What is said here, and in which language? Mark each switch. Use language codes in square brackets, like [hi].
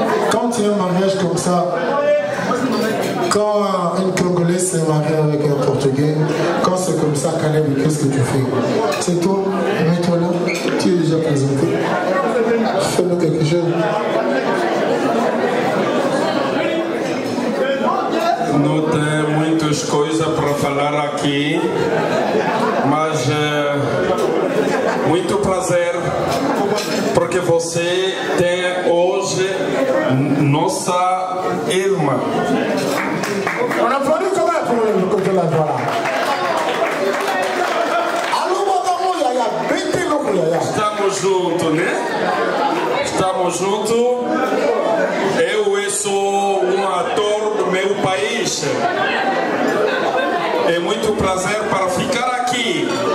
[fr] Quand tu as un mariage comme ça, quand une Congolaise s'est mariée avec un Portugais, quand c'est comme ça, Caleb, qu'est-ce que tu fais? C'est toi, mets-toi là, tu es déjà présenté. Fais-nous quelque chose. [pt] Não tem muitas coisas para falar aqui, mas muito prazer, porque você tem hoje nossa irmã. [fr] On applaudit quand même pour le côté de la voilà. [pt] Estamos juntos, né? Estamos juntos. Eu sou um ator do meu país. É muito prazer para ficar aqui.